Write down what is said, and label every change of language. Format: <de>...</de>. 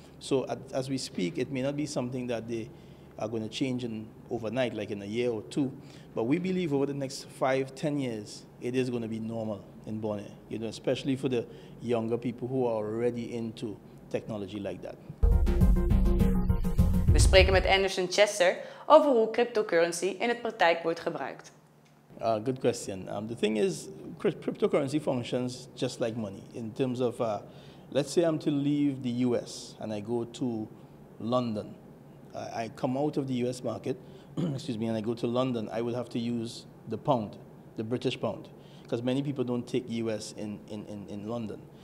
<en>So as we speak, it may not be something that they are going to change in overnight, like in a year or two. But we believe over the next 5-10 years, it is going to be normal in Borneo, you know, especially for the younger people who are already into technology like that.</en> <nl>We spreken met Anderson Chester over hoe cryptocurrency in het praktijk wordt gebruikt.</nl> <en>Good question. The thing is, cryptocurrency functions just like money. In terms of, let's say I'm to leave the US and I go to London. I come out of the US market, excuse me, and I go to London, I would have to use the pound, the British pound, because many people don't take US in London.</en>